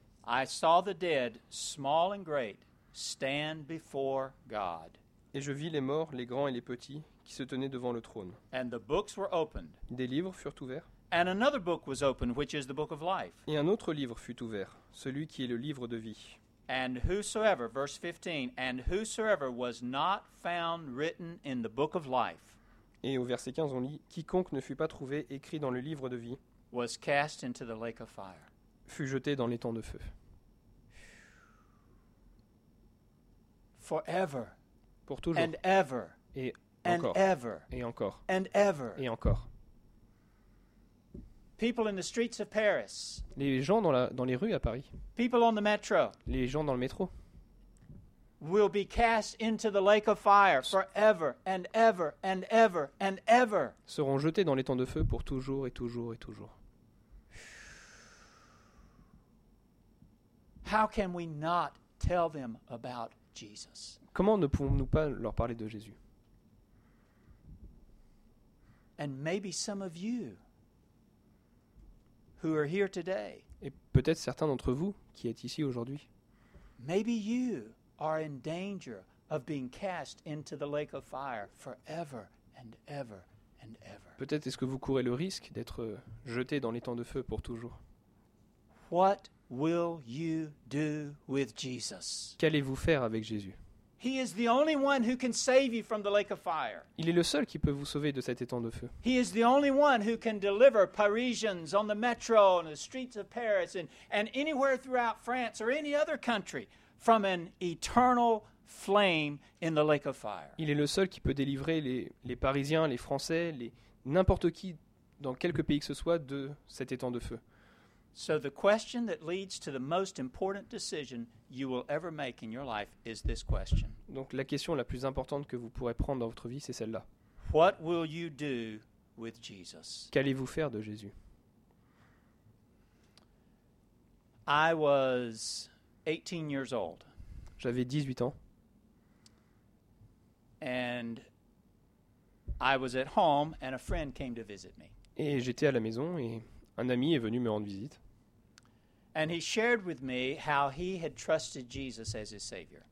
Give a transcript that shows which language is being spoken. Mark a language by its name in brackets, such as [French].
[English] I saw the dead, small and great, stand before God. [French] Et je vis les morts, les grands et les petits, qui se tenaient devant le trône. [English] And the books were opened. [French] Des livres furent ouverts. [English] And another book was opened, which is the book of life. [French] Et un autre livre fut ouvert, celui qui est le livre de vie. [English] And whosoever, verse 15, and whosoever was not found written in the book of life. [French] Et au verset 15, on lit « Quiconque ne fut pas trouvé écrit dans le livre de vie [English] was cast into the lake of fire. [French] Fut jeté dans l'étang de feu. » [English] Forever. [French] Pour toujours. [English] And ever. [French] Et encore. [English] And ever. [French] Et encore. [English] And ever. [French] Et encore. [English] People in the streets of Paris. [French] Les gens dans les rues à Paris. [English] People on the metro. [French] Les gens dans le métro. [English] Will be cast into the lake of fire forever and ever and ever and ever. [French] Seront jetés dans l'étang de feu pour toujours et toujours et toujours. [English] How can we not tell them about Jesus? [French] Comment ne pouvons-nous pas leur parler de Jésus? [English] And maybe some of you who are here today. [French] Et peut-être certains d'entre vous qui êtes ici aujourd'hui. [English] Maybe you are in danger of being cast into the lake of fire forever and ever and ever. [French] Peut-être est-ce que vous courez le risque d'être jeté dans l'étang de feu pour toujours. [English] What will you do with Jesus? [French] Qu'allez-vous faire avec Jésus? [English] He is the only one who can save you from the lake of fire. [French] Il est le seul qui peut vous sauver de cet étang de feu. [English] He is the only one who can deliver Parisians on the metro and the streets of Paris and anywhere throughout France or any other country from an eternal flame in the lake of fire. [French] Il est le seul qui peut délivrer les Parisiens, les Français, les n'importe qui dans quelque pays que ce soit de cet étang de feu. [English] So the question that leads to the most important decision you will ever make in your life is this question. [French] Donc la question la plus importante que vous pourrez prendre dans votre vie, c'est celle-là. [English] What will you do with Jesus? [French] Qu'allez-vous faire de Jésus? [English] I was 18 years old. [French] J'avais 18 ans. [English] And I was at home and a friend came to visit me. [French] Et j'étais à la maison et un ami est venu me rendre visite. [English] And he shared with me how he had trusted Jesus as his savior.